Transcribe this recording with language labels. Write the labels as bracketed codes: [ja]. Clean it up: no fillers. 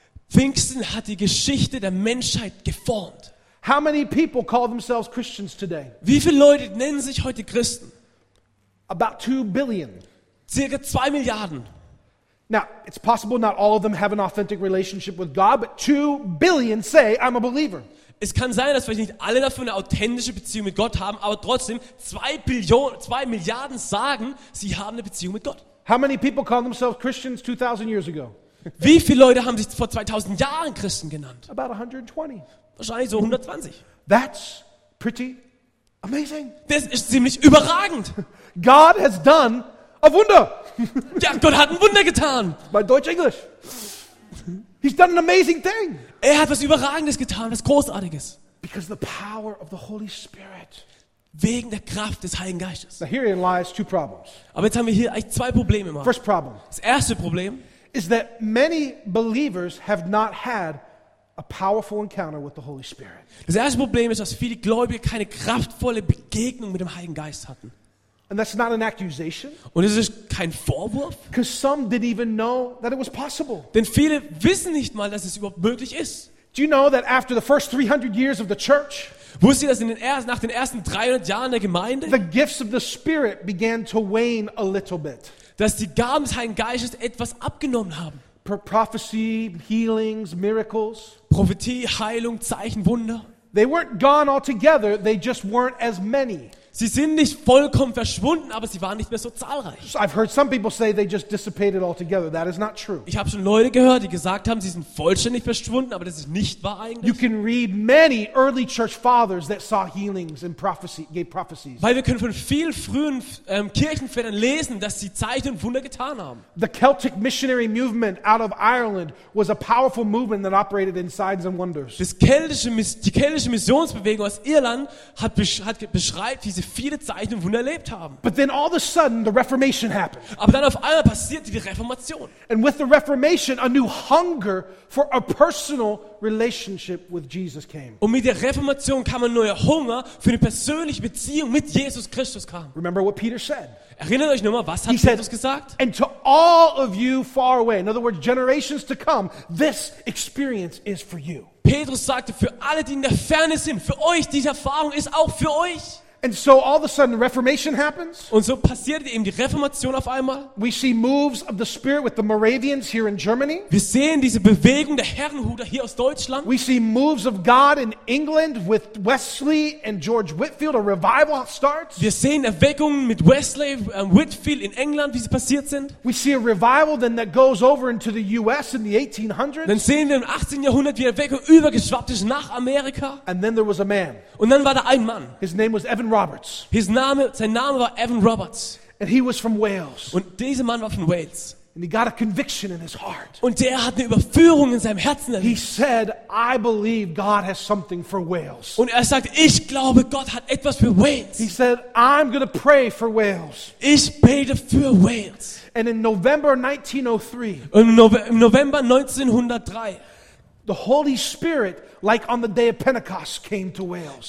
[de] Pfingsten hat die Geschichte der Menschheit geformt. [en] How many people call themselves Christians today? [de] Wie viele Leute nennen sich heute Christen? [en] About 2 billion. [de] Circa 2 Milliarden. [en] Now, it's possible not all of them have an authentic relationship with God, but 2 billion say, I'm a believer. [de] Es kann sein, dass vielleicht nicht alle davon eine authentische Beziehung mit Gott haben, aber trotzdem 2 Milliarden sagen, sie haben eine Beziehung mit Gott. [en] How many people call themselves Christians 2000 years ago? [de] Wie viele Leute haben sich vor 2000 Jahren Christen genannt? [en] About 120. [de] Wahrscheinlich so 120. [en] That's pretty amazing. [de] Das ist ziemlich überragend. [en] God has done a wonder. [de] Ja, Gott hat ein Wunder getan. Mein Deutsch-Englisch. [en] He's done an amazing thing. [de] Er hat was Überragendes getan, was Großartiges. [en] Because the power of the Holy Spirit. [de] Wegen der Kraft des Heiligen Geistes. [en] Now herein lies two problems. [de] Aber jetzt haben wir hier eigentlich zwei Probleme. Mann. [en] First problem. [de] Das erste Problem [en] is that many believers have not had a powerful encounter with the Holy Spirit. [de] Das erste Problem ist, dass viele Gläubige keine kraftvolle Begegnung mit dem Heiligen Geist hatten. [en] And that's not an accusation. [de] Und es ist kein Vorwurf. [en] Because some didn't even know that it was possible. [de] Denn viele wissen nicht mal, dass es überhaupt möglich ist. [en] Do you know that after the first 300 years of the church, [de] wusstet ihr, dass nach den ersten 300 Jahren der Gemeinde, [en] the gifts of the Spirit began to wane a little bit. [de] Dass die Gaben des Heiligen Geistes etwas abgenommen haben. [en] Prophecy, healings, miracles. [de] Prophetie, Heilung, Zeichen, Wunder. [en] They weren't gone altogether, they just weren't as many. [de] Sie sind nicht vollkommen verschwunden, aber sie waren nicht mehr so zahlreich. [en] I've heard some people say they just dissipated altogether. That is not true. [de] Ich habe schon Leute gehört, die gesagt haben, sie sind vollständig verschwunden, aber das ist nicht wahr eigentlich. [en] You can read many early church fathers that saw healings and prophecy, gave prophecies. [de] Weil wir können von vielen frühen Kirchenvätern lesen, dass sie Zeichen und Wunder getan haben. [en] The Celtic missionary movement out of Ireland was a powerful movement that operated in signs and wonders. [de] Die keltische Missionsbewegung aus Irland hat beschreibt, wie viele Zeichen und Wunder erlebt haben. [en] But then all of a sudden the Reformation happened. [de] Aber dann auf einmal passierte die Reformation. [en] And with the Reformation a new hunger for a personal relationship with Jesus came. [de] Und mit der Reformation kam ein neuer Hunger für eine persönliche Beziehung mit Jesus Christus kam. [en] Remember what Peter said? [de] Erinnert euch nochmal, was hat Petrus gesagt? [en] And to all of you far away, in other words, generations to come, this experience is for you. [de] Petrus sagte, für alle, die in der Ferne sind, für euch diese Erfahrung ist auch für euch. [en] And so all of a sudden Reformation happens. [de] Und so passierte eben die Reformation auf einmal. [en] We see moves of the spirit with the Moravians here in Germany. [de] Wir sehen diese Bewegung der Herrenhuter hier aus Deutschland. [en] We see moves of God in England with Wesley and George Whitfield. A revival starts. [de] Wir sehen Erweckungen mit Wesley und Whitfield in England, wie sie passiert sind. [en] We see a revival then that goes over into the US in the 1800s. [de] Dann sehen wir im 18. Jahrhundert, wie Erweckung übergeschwappt ist nach Amerika. [en] And then there was a man. [de] Und dann war da ein Mann. [en] His name was Evan Roberts. [de] Sein Name war Evan Roberts. [en] And he was from Wales. [de] Und dieser Mann war von Wales. [en] And he got a conviction in his heart. [de] Und der hat eine Überführung in seinem Herzen erlebt. [en] He said, I believe God has something for Wales. [de] Und er sagt, ich glaube, Gott hat etwas für Wales. [en] He said, I'm going to pray for Wales. [de] Ich bete für Wales. [en] And in November 1903. [de] Im November 1903. [en] The Holy Spirit, like on the day of Pentecost, came to Wales.